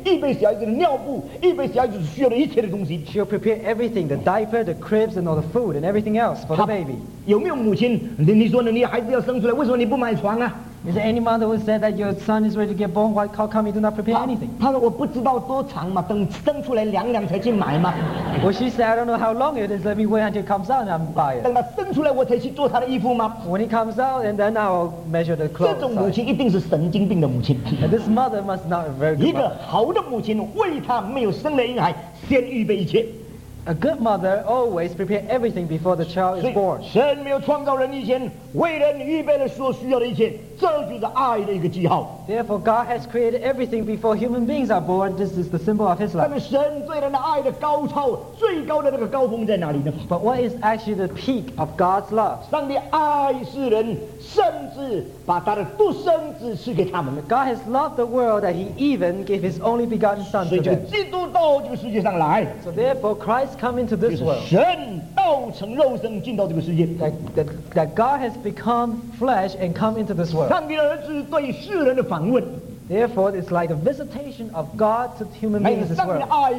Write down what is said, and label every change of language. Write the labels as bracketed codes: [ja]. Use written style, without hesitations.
[zh] 她一定的快快预备这个小孩子的床，预备这个小孩子的衣服，预备小孩子的尿布，预备小孩子需要的一切的东西。 [en] She'll prepare everything, the diaper, the cribs, and all the food and everything else for the baby. [zh] 有没有母亲，你说呢，你孩子要生出来，为什么你不买床啊？ [en] Is there any mother who said that your son is ready to get born? Why, how come you do not prepare anything? [zh] 她说我不知道多长嘛，等生出来凉凉才去买嘛。 [en] Well, she said, I don't know how long it is. Let me wait until it comes out and I'll buy it. [zh] 等他生出来，我才去做他的衣服吗？ [en] When he comes out, and then I'll measure the clothes. [zh] 这种母亲一定是神经病的母亲。 [en] And this mother must not be a very good mother. [zh] 一个好的母亲为他没有生了婴孩，先预备一切。 [en] A good mother always prepares everything before the child is born. [zh] 神没有创造人以前，为人预备了所需要的一切，这就是爱的一个记号。 [en] Therefore, God has created everything before human beings are born. This is the symbol of His love. [zh] 但是神对人的爱的高潮，最高的那个高峰在哪里呢？ [en] But what is actually the peak of God's love? [zh] 上帝爱世人，甚至把他的独生子赐给他们。 [en] God has loved the world that He even gave His only begotten Son to them. [zh] 所以就基督到这个世界上来。 [en] So therefore, Christ come into this world. That God has become flesh and come into this world. Therefore, it's like a visitation of God to human beings in this world.